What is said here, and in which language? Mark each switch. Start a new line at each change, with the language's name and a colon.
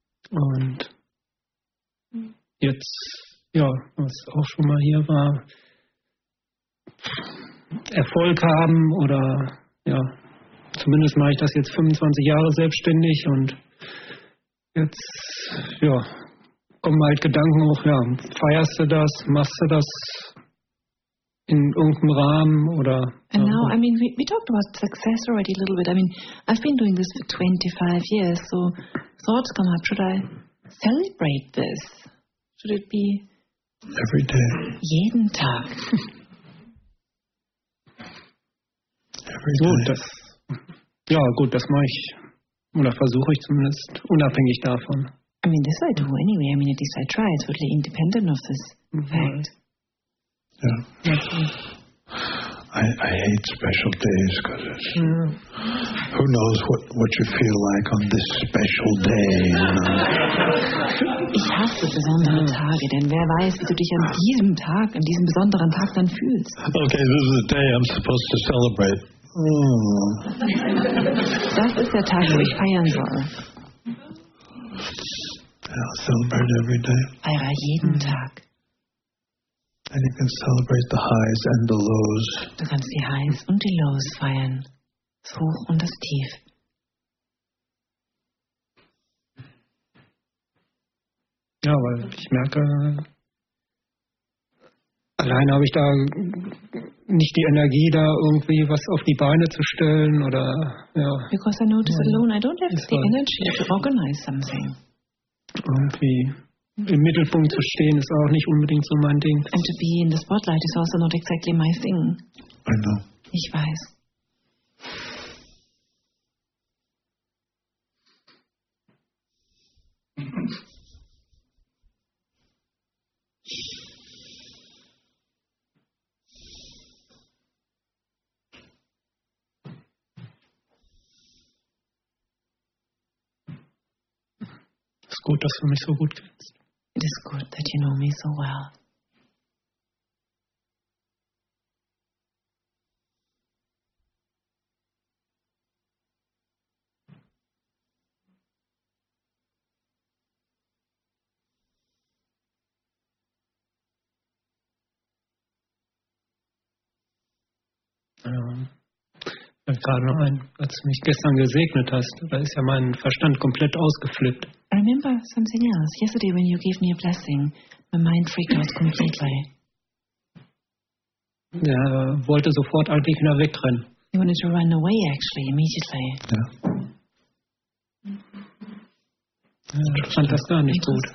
German: Und jetzt, ja, was auch schon mal hier war, Erfolg haben oder ja, zumindest mache ich das jetzt 25 Jahre selbstständig und jetzt, ja, kommen halt Gedanken hoch, ja, feierst du das, machst du das? In irgendeinem Rahmen oder.
English: And now, I mean, we talked about success already a little bit. I mean, I've been doing this for 25 years, so thoughts come up. Should I celebrate this? Should it be. Every day.
German: Jeden Tag.
English: Every day.
German: Gut, das, ja, gut, das mache ich. Oder versuche ich zumindest, unabhängig davon.
English: I mean, this I do anyway. I mean, at least I try. It's totally independent of this fact. Yeah. I hate special days because who knows what you feel like on this special day.
German: Ich hasse besondere Tage, denn wer weiß, wie du dich an diesem Tag, an diesem besonderen Tag dann fühlst.
English: Okay, this is the day I'm supposed to celebrate.
German: Das ist der Tag, wo ich feiern soll.
English: Yeah, celebrate every day.
German: Feiere jeden Tag.
English: And you can celebrate the highs and the lows.
German: Du kannst die Highs und die Lows feiern. Das Hoch und das Tief. Ja, weil ich merke, allein habe ich da nicht die Energie, da irgendwie was auf die Beine zu stellen oder, ja.
English: Because I notice alone, I don't have the energy to organize something.
German: Irgendwie. Im Mittelpunkt zu stehen ist auch nicht unbedingt so mein Ding.
English: And to be in the spotlight is also not exactly my thing. I know.
German: Ich weiß. Es ist gut, dass du mich so gut kennst.
English: It is good that you know me so well.
German: Gerade noch ein, als du mich gestern gesegnet hast, da ist ja mein Verstand komplett ausgeflippt.
English: I remember something else. Yesterday when you gave me a blessing, my mind freaked out completely.
German: Ja, wollte sofort eigentlich wieder wegrennen.
English: You wanted to run away actually, immediately.
German: Ja. Ich fand das gar nicht gut.